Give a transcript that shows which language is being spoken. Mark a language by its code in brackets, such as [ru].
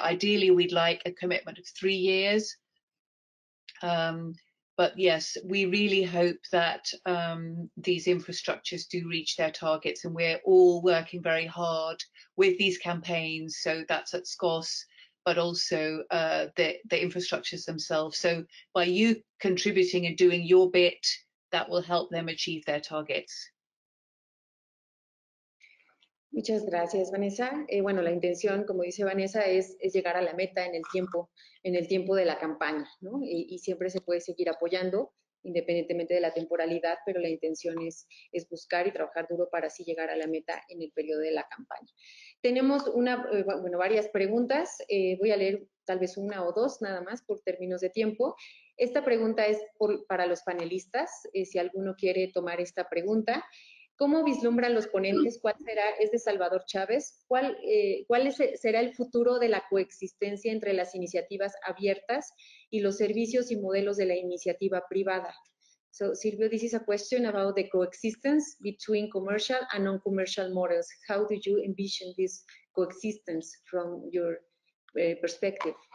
[en] Ideally, we'd like a commitment of 3 years. But yes, we really hope that these infrastructures do reach their targets, and we're all working very hard with these campaigns. So that's at SCOS, but also the infrastructures themselves. So by you contributing and doing your bit, that will help them achieve their targets. [es] Muchas gracias, Vanessa. Bueno, la intención, como dice Vanessa, es llegar a la meta en el tiempo de la campaña, ¿no? Y siempre se puede seguir apoyando, independientemente de la temporalidad, pero la intención es buscar y trabajar duro para así llegar a la meta en el periodo de la campaña. Tenemos varias preguntas. Voy a leer tal vez una o dos nada más por términos de tiempo. Esta pregunta es para los panelistas, si alguno quiere tomar esta pregunta. ¿Cómo vislumbran los ponentes? ¿Cuál será? Es de Salvador Chávez. ¿Cuál será el futuro de la coexistencia entre las iniciativas abiertas y los servicios y modelos de la iniciativa privada? [en] So, Silvio, this is a question about the coexistence between commercial and non-commercial models. How do you envision this coexistence from your perspective?